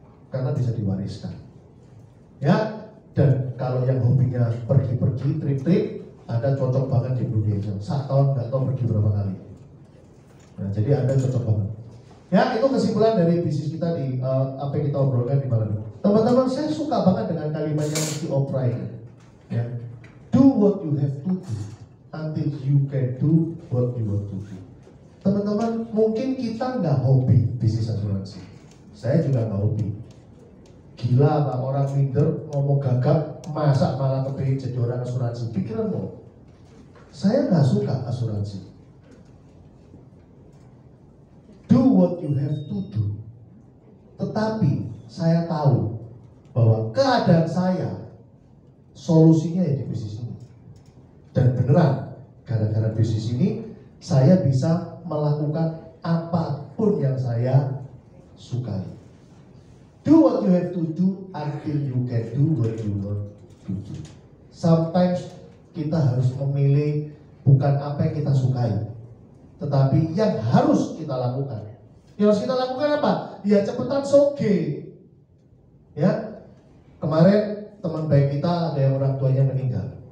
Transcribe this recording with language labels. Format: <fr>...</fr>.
<id>Karena bisa diwariskan. Ya, dan kalau yang hobinya pergi-pergi, trip-trip, ada cocok banget di Indonesia. Satu tahun nggak tahu pergi berapa kali. Nah, jadi ada cocok banget. Ya, itu kesimpulan dari bisnis kita di apa yang kita obrolkan di malam ini. Teman-teman, saya suka banget dengan kalimatnya si Oprah ini. Ya.</id> <en>Do what you have to do until you can do what you want to do.</en> <id>Teman-teman, mungkin kita nggak hobi bisnis asuransi. Saya juga nggak hobi. Gila apa orang minder, ngomong gagap, masa malah kepengen jadi orang asuransi. Pikiran lo, saya nggak suka asuransi.</id> <en>Do what you have to do.</en> <id>Tetapi saya tahu bahwa keadaan saya solusinya ya di bisnis ini. Dan beneran, gara-gara bisnis ini saya bisa melakukan apapun yang saya sukai.</id> <en>Do what you have to do until you can do what you want to do.</en> <id>Sometimes kita harus memilih bukan apa yang kita sukai, tetapi yang harus kita lakukan. Yang harus kita lakukan apa? Ya cepetan soge. Ya, kemarin teman baik kita ada yang orang tuanya meninggal.</id>